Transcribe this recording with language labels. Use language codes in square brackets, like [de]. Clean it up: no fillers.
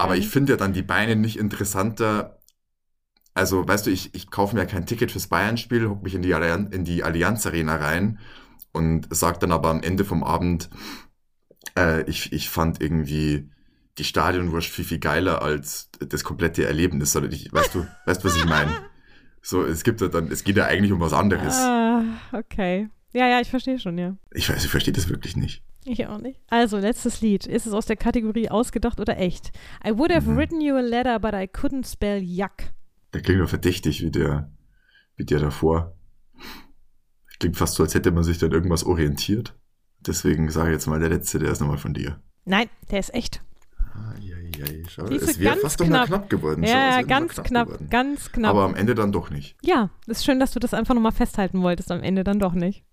[de] Aber ich finde ja dann die Beine nicht interessanter. Also, weißt du, ich kaufe mir kein Ticket fürs Bayern-Spiel, hocke mich in die Allianz Arena rein und sage dann aber am Ende vom Abend, ich fand irgendwie die Stadionwurst viel, viel geiler als das komplette Erlebnis. Weißt du, was ich meine? So, es gibt ja dann, es geht ja eigentlich um was anderes. Ah, okay. Ja, ich verstehe schon, ja. Ich weiß, ich verstehe das wirklich nicht. Ich auch nicht. Also, letztes Lied. Ist es aus der Kategorie ausgedacht oder echt? [en] I would have written you a letter, but I couldn't spell yuck. [de] Der klingt doch verdächtig wie der davor. Klingt fast so, als hätte man sich dann irgendwas orientiert. Deswegen sage ich jetzt mal, der letzte, der ist nochmal von dir. Nein, der ist echt. Eieiei, schade. Es wäre fast doch mal knapp geworden. Ja, ganz knapp. Aber am Ende dann doch nicht. Ja, ist schön, dass du das einfach nochmal festhalten wolltest, am Ende dann doch nicht.